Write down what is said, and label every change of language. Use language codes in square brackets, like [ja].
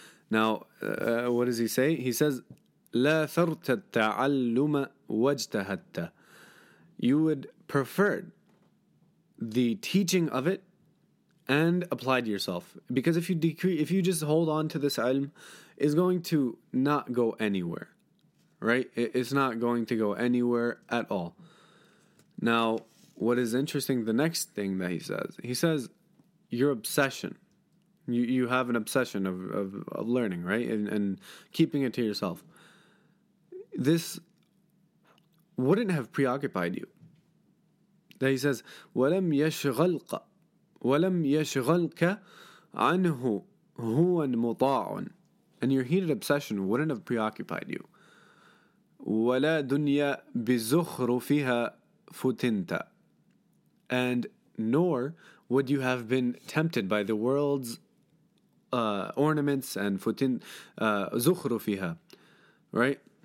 [en] Now, what does he say? He says, [ar] لَاثَرْتَ التَّعَلُّمَ وَاجْتَهَدْتَ. [en] You would prefer the teaching of it and applied yourself. Because if you just hold on to this ilm, it's going to not go anywhere. Right? It's not going to go anywhere at all. Now, what is interesting, the next thing that he says, your obsession. You have an obsession of learning, right? And keeping it to yourself. This wouldn't have preoccupied you. That he says, [ar] وَلَمْ يَشْغَلْقَ وَلَمْ يَشْغَلْكَ عَنْهُ هُوَ مُطَاعٌ. [en] And your heated obsession wouldn't have preoccupied you. [ar] وَلَا دُنْيَا بِزُخْرُ فِيهَا فُتِنْتَ. [en] And nor would you have been tempted by the world's ornaments and futin, [ar] zukhru fiha, [en] right?